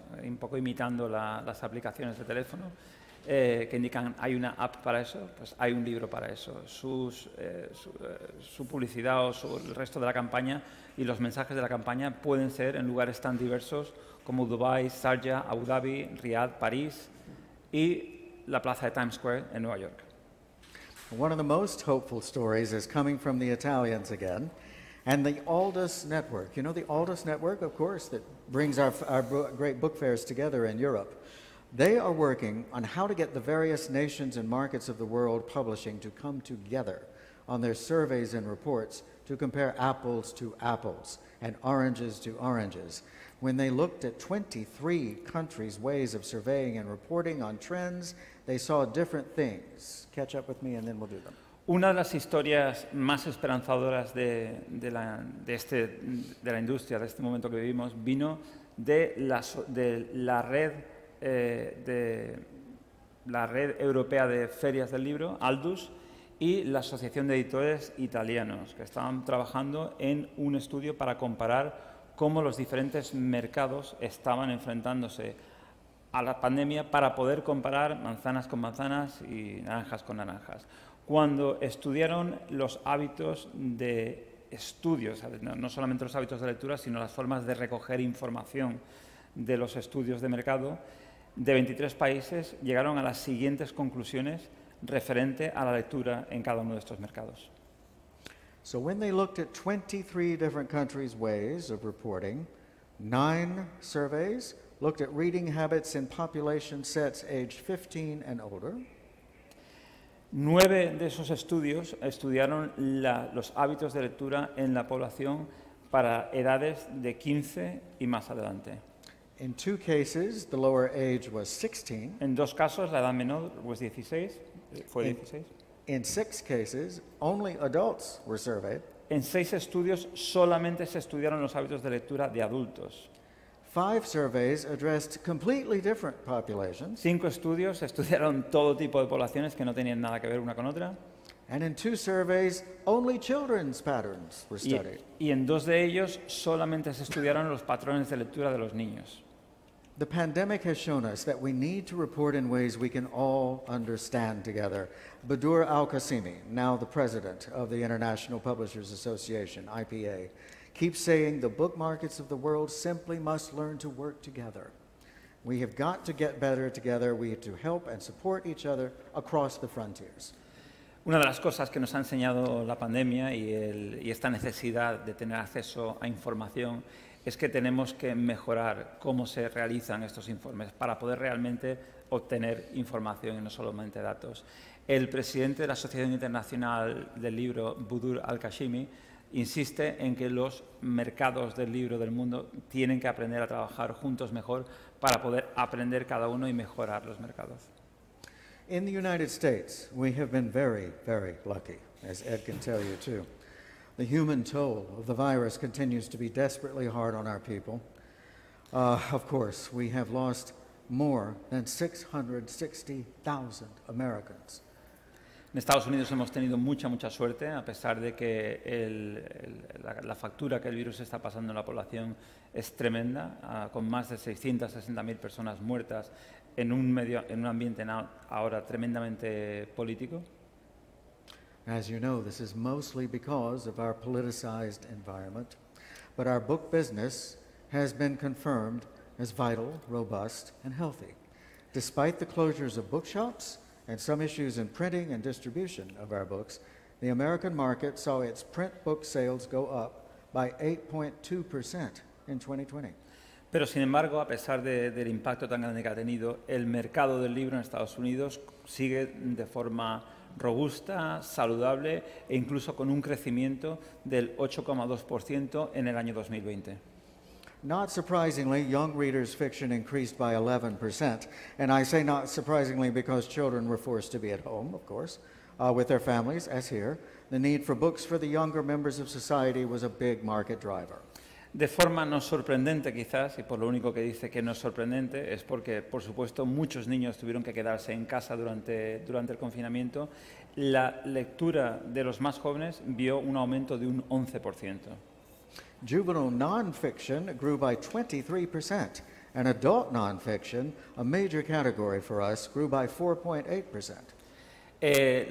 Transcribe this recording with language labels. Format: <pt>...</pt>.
<es>Un poco imitando las aplicaciones de teléfono que indican hay una app para eso, pues hay un libro para eso. Su publicidad o el resto de la campaña y los mensajes de la campaña pueden ser en lugares tan diversos como Dubai, Sharjah, Abu Dhabi, Riyadh, París y la plaza de Times Square en Nueva York.</es> <en>One of the most hopeful stories is coming from the Italians again. And the Aldus Network, you know the Aldus Network, of course, that brings our great book fairs together in Europe. They are working on how to get the various nations and markets of the world publishing to come together on their surveys and reports to compare apples to apples and oranges to oranges. When they looked at 23 countries' ways of surveying and reporting on trends, they saw different things. Catch up with me and then we'll do them.</en> <es>Una de las historias más esperanzadoras de la industria, de este momento que vivimos, vino de la red europea de ferias del libro, Aldus, y la Asociación de Editores Italianos, que estaban trabajando en un estudio para comparar cómo los diferentes mercados estaban enfrentándose a la pandemia para poder comparar manzanas con manzanas y naranjas con naranjas. Cuando estudiaron los hábitos de estudio, no solamente los hábitos de lectura, sino las formas de recoger información de los estudios de mercado de 23 países, llegaron a las siguientes conclusiones referente a la lectura en cada uno de estos mercados.</es> <en>So when they looked at 23 different countries' ways of reporting, 9 surveys looked at reading habits in population sets aged 15 and older.</en> <es>9 de esos estudios estudiaron los hábitos de lectura en la población para edades de 15 y más adelante.</es> <en>In 2 cases, the lower age was 16.</en> <es>En 2 casos, la edad menor</es> <en>was 16,</en> <es>fue 16.</es> <en>In 6 cases, only adults were surveyed.</en> <es>En 6 estudios, solamente se estudiaron los hábitos de lectura de adultos.</es> <en>5 surveys addressed completely different populations.</en> <es>5 estudios estudiaron todo tipo de poblaciones que no tenían nada que ver una con otra.</es> <en>And in 2 surveys, only children's patterns were studied.</en> <es>Y en 2 de ellos solamente se estudiaron los patrones de lectura de los niños.</es> <en>The pandemic has shown us that we need to report in ways we can all understand together. Badr Al-Qasimi, now the president of the International Publishers Association, IPA, keep saying the book markets of the world simply must learn to work together. We have got to get better together. We have to help and support each other across the frontiers.</en> <es>Una de las cosas que nos ha enseñado la pandemia y esta necesidad de tener acceso a información es que tenemos que mejorar cómo se realizan estos informes para poder realmente obtener información y no solamente datos. El presidente de la Asociación Internacional del Libro, Badr Al-Qasimi, insiste en que los mercados del libro del mundo tienen que aprender a trabajar juntos mejor para poder aprender cada uno y mejorar los mercados.</es> <en>In the United States, we have been very, very lucky, as Ed can tell you too. The human toll of the virus continues to be desperately hard on our people. Of course, we have lost more than 660,000 Americans.</en> <es>En Estados Unidos hemos tenido mucha suerte, a pesar de que la factura que el virus está pasando en la población es tremenda, con más de 660,000 personas muertas en un ambiente ahora tremendamente político.</es> <en>As you know, this is mostly because of our politicized environment, but our book business has been confirmed as vital, robust, and healthy. Despite the closures of bookshops, and some issues in printing and distribution of our books, the American market saw its print book sales go up by 8.2% in 2020.</en> <es>Pero sin embargo, a pesar del impacto tan grande que ha tenido, el mercado del libro en Estados Unidos sigue de forma robusta, saludable e incluso con un crecimiento del 8.2% en el año 2020.</es> <en>Not surprisingly, young readers' fiction increased by 11%. And I say not surprisingly because children were forced to be at home, of course, with their families, as here. The need for books for the younger members of society was a big market driver.</en> <es>De forma no sorprendente, quizás, y por lo único que dice que no es sorprendente, es porque, por supuesto, muchos niños tuvieron que quedarse en casa durante el confinamiento. La lectura de los más jóvenes vio un aumento de un 11%.</es> <en>Juvenile nonfiction grew by 23%, and adult nonfiction, a major category for us, grew by 4.8%.</en>